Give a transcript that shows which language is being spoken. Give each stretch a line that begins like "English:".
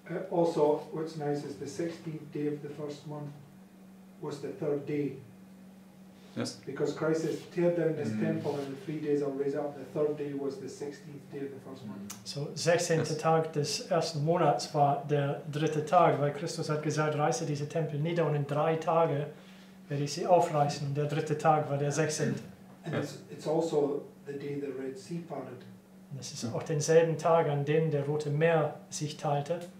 English: Also, what's nice is the 16th day of the first month was the third day. Yes. Because Christ says, tear down this temple in the 3 days I'll raise up. The third day was the 16th day of the first month. So, 16. Yes.
German: Tag des ersten Monats war der dritte Tag, weil Christus hat gesagt, reiße diese Tempel nieder und in 3 Tage werde ich sie aufreißen. Und der dritte Tag war der 16.
English: And yes. It's also the day the Red Sea parted.
German: Und es ist auch denselben Tag, an dem der Rote Meer sich teilte.